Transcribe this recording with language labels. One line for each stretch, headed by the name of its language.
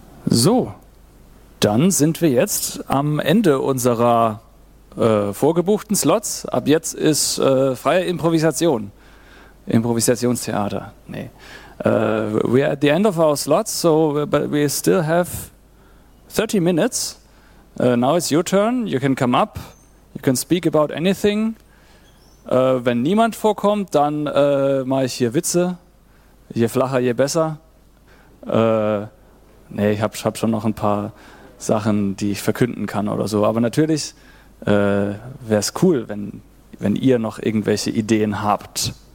German: So. Dann sind wir jetzt am Ende unserer vorgebuchten Slots. Ab jetzt ist freie Improvisation. Improvisationstheater. Nee.
English: We are at the end of our slots, so but we still have 30 minutes. Now it's your turn. You can come up. You can speak about anything.
German: Wenn niemand vorkommt, dann mache ich hier Witze. Je flacher, je besser. Nee, ich hab schon noch ein paar Sachen, die ich verkünden kann oder so. Aber natürlich wäre es cool, wenn ihr noch irgendwelche Ideen habt.